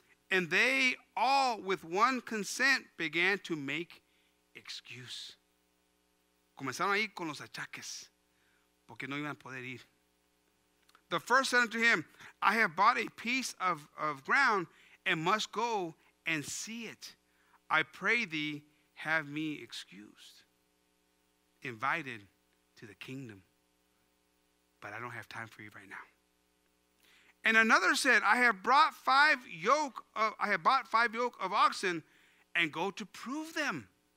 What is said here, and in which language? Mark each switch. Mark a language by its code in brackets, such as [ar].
[en] And they all with one consent began to make excuse. [es] Comenzaron ahí con los achaques, porque no iban a poder ir. [en] The first said unto him, I have bought a piece of ground and must go and see it. I pray thee, have me excused. Invited to the kingdom. but I don't have time for you right now. And another said, I have bought five yoke of oxen and go to prove them.